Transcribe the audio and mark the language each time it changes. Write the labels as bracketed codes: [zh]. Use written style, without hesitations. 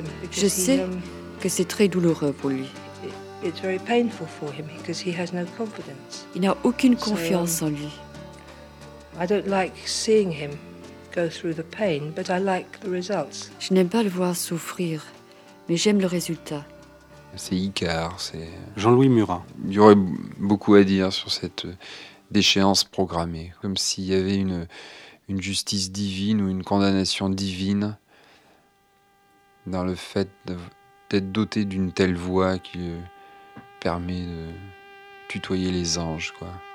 [fr] Je sais que c'est très douloureux pour lui. [en] It's very painful for him because he has no confidence. [fr] Il n'a aucune confiance en lui. [en] I don't like seeing him go through the pain, but I like the results. [fr] Je n'aime pas le voir souffrir, mais j'aime le résultat. C'est Icar, c'est Jean-Louis Murat. Il y aurait beaucoup à dire sur cette déchéance programmée, comme s'il y avait une justice divine ou une condamnation divine dans le fait d'être doté d'une telle voix qui permet de tutoyer les anges, quoi.